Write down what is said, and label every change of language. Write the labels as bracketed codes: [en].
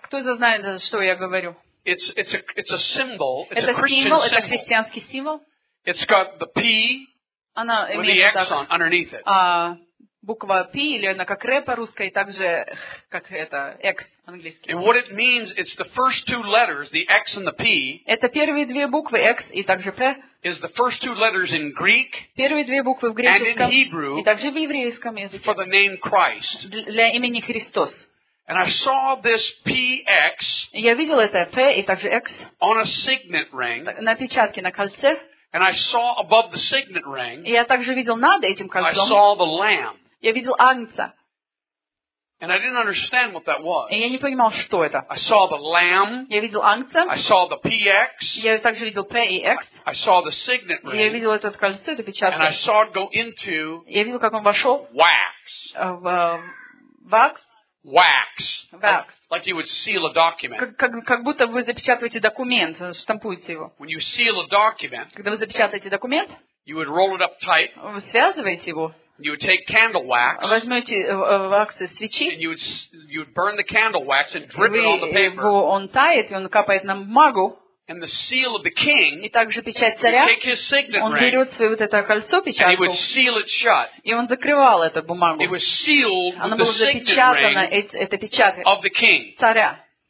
[ru] Кто из вас знает, что я говорю? [en] It's a symbol. It's [ru] это [en] a Christian [ru] символ, [en] symbol. [ru] Это христианский символ. [en] It's got the P. [ru] Она [en] with the X on underneath it. [ru] Буква P или она как R по-русски, и также как это X английский. [en] And what it means, it's the first two letters, the X and the P. [ru] Это первые две буквы X и также P. [en] Is the first two letters in Greek. [ru] Первые две буквы в греческом. [en] And in Hebrew. [ru] И также в еврейском языке. [en] For the name Christ. [ru] Для имени Христос. [en] And I saw this PX. [ru] Я видел это P и также X. [en] On a signet ring. [ru] На печатке, на кольце. [en] And I saw above the signet ring. [ru] Я также видел над этим кольцом. [en] I saw the lamb. [ru] Я видел агнца. [en] And I didn't understand what that was. [ru] И я не понимал, что это. [en] I saw the lamb. [ru] Я видел агнца. [en] I saw the PX. [ru] Я также видел P и X. [en] I saw the signet ring. [ru] Я видел этот кольцо, эту печатку. [en] And I saw it go into. [ru] Я видел, как он вошел. [en] Wax. [ru] Вакс. [en] Wax. Wax. Like you would seal a document. [ru] Как будто вы запечатываете документ, штампуете его. [en] When you seal a document, [ru] когда вы запечатаете документ, [en] you would roll it up tight, [ru] вы связываете его, [en] You would take candle wax. [ru] Возьмете вакс из свечи. [en] And you would burn the candle wax and drip it on the paper. [ru] Его, он тает, и он капает на бумагу. [en] And the seal of the king. [ru] И также печать царя. [en] You take his signet ring. [ru] Он берет свое вот это кольцо печатку. [en] And he would seal it shut. [ru] И он закрывал эту бумагу. [en] It was sealed with the signet ring. [ru] Это печать. [en] Of the king. [ru] Царя.